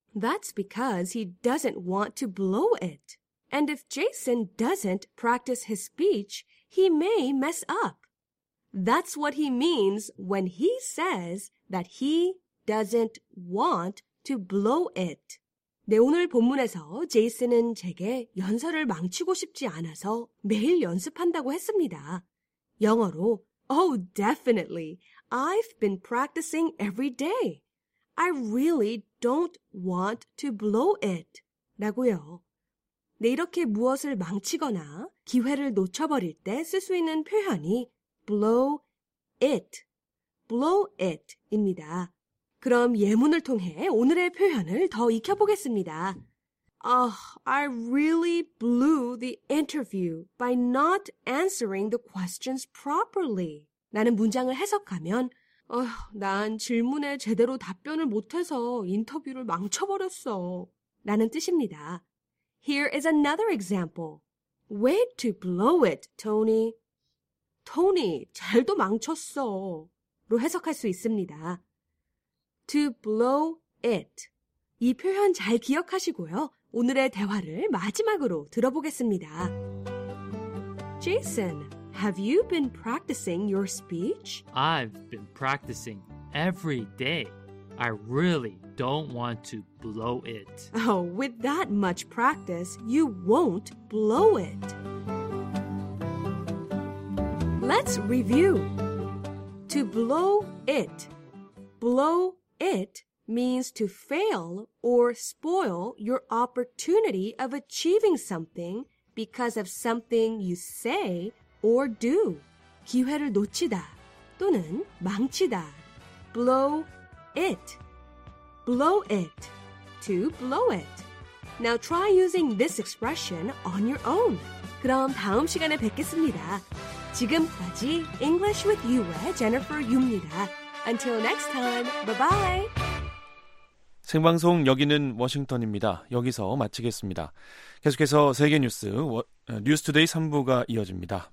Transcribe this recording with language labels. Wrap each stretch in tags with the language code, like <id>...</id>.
<en>That's because he doesn't want to blow it. And if Jason doesn't practice his speech, he may mess up. That's what he means when he says that he doesn't want to blow it.</en> <ko>네, 오늘 본문에서 제이슨은 제게 연설을 망치고 싶지 않아서 매일 연습한다고 했습니다. 영어로</ko> <en>Oh, definitely. I've been practicing every day. I really don't want to blow it.</en> <ko>라고요. 네, 이렇게 무엇을 망치거나 기회를 놓쳐버릴 때 쓸 수 있는 표현이 blow it. blow it 입니다. 그럼 예문을 통해 오늘의 표현을 더 익혀보겠습니다.</ko> <en>I really blew the interview by not answering the questions properly.</en> <ko>라는 문장을 해석하면 난 질문에 제대로 답변을 못해서 인터뷰를 망쳐버렸어. 라는 뜻입니다.</ko> <en>Here is another example. Way to blow it, Tony. Tony,</en> <ko>잘도 망쳤어. 로 해석할 수 있습니다.</ko> <en>To blow it.</en> <ko>이 표현 잘 기억하시고요. 오늘의 대화를 마지막으로 들어보겠습니다.</ko> <en>Jason, have you been practicing your speech? I've been practicing every day. I really don't want to blow it. Oh, with that much practice, you won't blow it. Let's review. To blow it. Blow it means to fail or spoil your opportunity of achieving something because of something you say or do.</en> <ko>기회를 놓치다 또는 망치다.</ko> <en>Blow it. Blow it. To blow it. Now try using this expression on your own.</en> <ko>그럼 다음 시간에 뵙겠습니다. 지금까지 English with You의 Jennifer Yu입니다.</ko> <en>Until next time, bye-bye.</en> <ko>생방송 여기는 워싱턴입니다. 여기서 마치겠습니다. 계속해서 세계 뉴스, 뉴스 투데이 3부가 이어집니다.</ko>